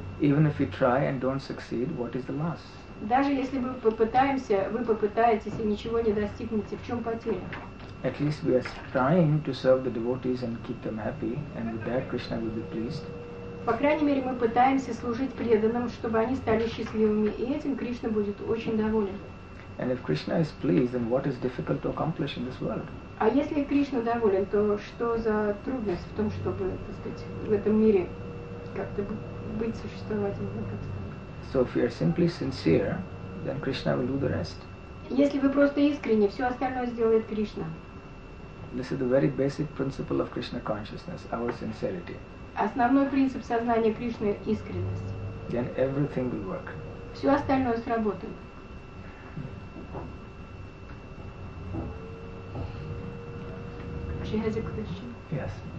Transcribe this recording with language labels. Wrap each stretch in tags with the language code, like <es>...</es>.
<en>Even if we try and don't succeed, what is the loss?</en> <ru>Даже если мы попытаемся, вы попытаетесь и ничего не достигнете, в чем потеря?</ru> <en>At least we are trying to serve the devotees and keep them happy, and with that Krishna will be pleased.</en> <ru>По крайней мере, мы пытаемся служить преданным, чтобы они стали счастливыми, и этим Кришна будет очень доволен.</ru> <en>And if Krishna is pleased, then what is difficult to accomplish in this world?</en> <ru>А если Кришна доволен, то что за трудность в том, чтобы, так сказать, в этом мире как-то быть существовательным?</ru> <en>So if we are simply sincere, then Krishna will do the rest.</en> <ru>Если вы просто искренне, все остальное сделает Кришна.</ru> <en>This is the very basic principle of Krishna consciousness, our sincerity.</en> <ru>Основной принцип сознания Кришны – искренность.</ru> <en>Then everything will work.</en> <ru>Все остальное сработает.</ru> <en>She has a question. Yes.</en>